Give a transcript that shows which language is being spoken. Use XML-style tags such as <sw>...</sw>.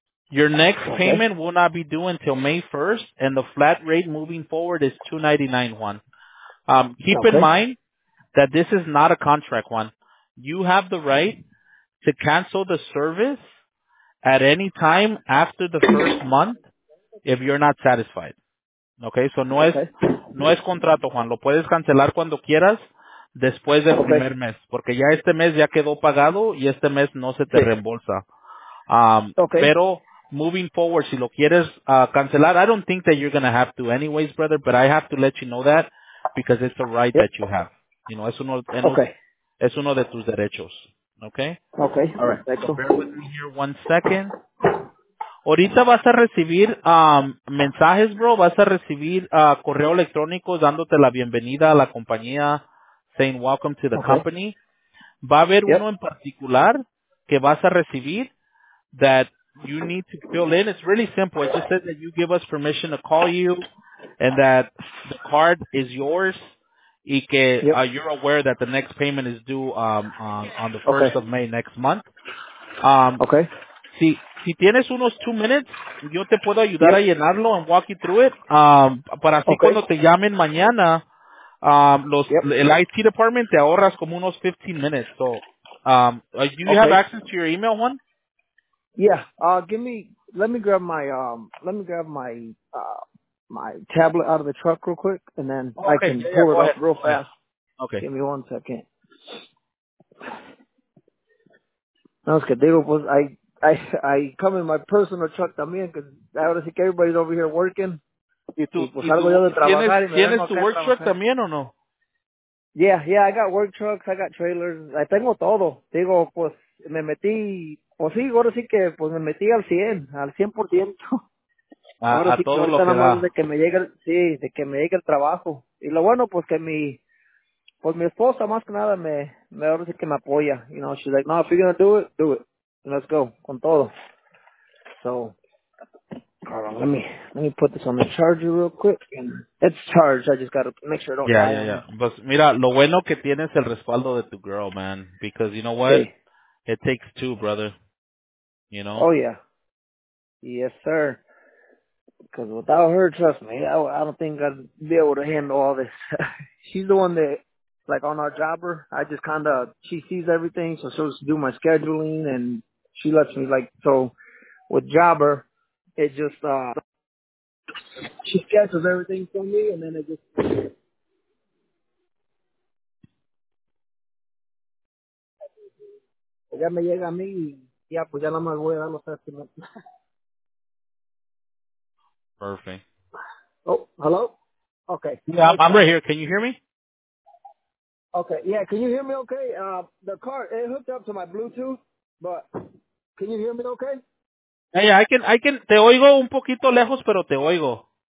<en>Your next payment will not be due until May 1st, and the flat rate moving forward is $299.1. Keep in mind that this is not a contract one. You have the right to cancel the service at any time after the first month if you're not satisfied. Okay, so</en> <es>no es contrato, Juan. Lo puedes cancelar cuando quieras después del primer mes. Porque ya este mes ya quedó pagado y este mes no se te reembolsa. Pero</es> <en>moving forward,</en> <es>si lo quieres cancelar,</es> <en>I don't think that you're going to have to anyways, brother, but I have to let you know that. Because it's a right that you have. You know,</en> <es>es uno de tus derechos.</es> <en>Okay? Okay. All right. So bear with me here one second.</en> <es>Ahorita vas a recibir mensajes, bro. Vas a recibir correo electrónico dándote la bienvenida a la compañía,</es> <en>saying welcome to the company.</en> <es>Va a haber uno en particular que vas a recibir that you need to fill in. It's really simple.</es> <en>It just says that you give us permission to call you. And that the card is yours,</en> <es>y que</es> <en>you're aware that the next payment is due on the 1st of May next month.</en> <es>Si tienes unos 2</es> <en>minutes,</en> <es>yo te puedo ayudar a llenarlo</es> <en>and walk you through it.</en> <es>Para así cuando te llamen mañana, el IT department te ahorras como unos 15</es> <en>minutes. So, do you have access to your email, Juan? Yeah. Let me grab my tablet out of the truck real quick, and then I can pull it up real fast. Okay. Give me 1 second.</en> <es>No, es que digo, pues,</es> <en>I come in my personal truck</en> <es>también,</es> <en>because</en> <es>ahora sí que</es> <en>everybody's over here working.</en> <es>¿Tienes tu work truck también o no?</es> <en>Yeah, I got work trucks, I got trailers, I</en> <es>tengo todo. Digo, pues, me metí, pues sí, ahora sí que, pues, me metí al 100%. De que me llegue el trabajo. Y lo bueno, pues que mi esposa más que nada me ahora sí que me apoya.</es> <en>You know, she's like, no, if you're going to do it. And let's go,</en> <es>con todo.</es> <en>So, let me put this on the charger real quick. And it's charged, I just got to make sure it don't die. Yeah.</en> <es>Pues mira, lo bueno que tienes el respaldo de tu</es> <en>girl, man. Because you know what?</en> <es>Sí.</es> <en>It takes two, brother. You know? Oh, yeah. Yes, sir. Because without her, trust me, I don't think I'd be able to handle all this. She's the one that, like, on our jobber, I just kind of, she sees everything, so she'll do my scheduling, and she lets me, like, so with jobber, it just, she schedules everything for me, and then it just...</en> <es>Ya me llega a mí, y ya, pues ya nada más voy a dar los estimates.</es> <en>Perfect. Oh, hello? Okay. Yeah, I'm right here. Can you hear me? Okay. Yeah, can you hear me okay? The car, it hooked up to my Bluetooth, but can you hear me okay? Yeah, hey, I can,</en> <es>te oigo un poquito lejos, pero te oigo.</es>